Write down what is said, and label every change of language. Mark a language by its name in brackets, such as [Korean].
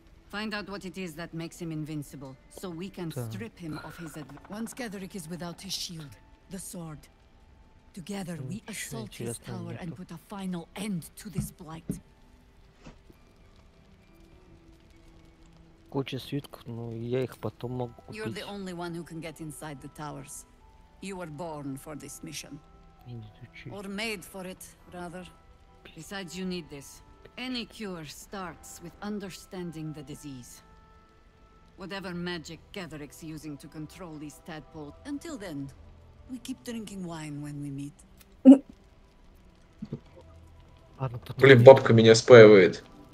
[English] Find out what it is that makes him invincible, so we can strip him of his advantage. Once Gadrick is without his shield, the sword, together we assault his tower and put a final end to this blight. [Russian] Куча свитков, но я их потом могу купить. [English] You're the only one who can get inside the towers. You were born for this mission. Or made for it, rather. Besides, you need this. Any cure starts with understanding the disease. Whatever magic Gatherick's using to control these tadpoles. Until then, we keep drinking wine when we meet. [Russian] Блин, бабка меня спаивает.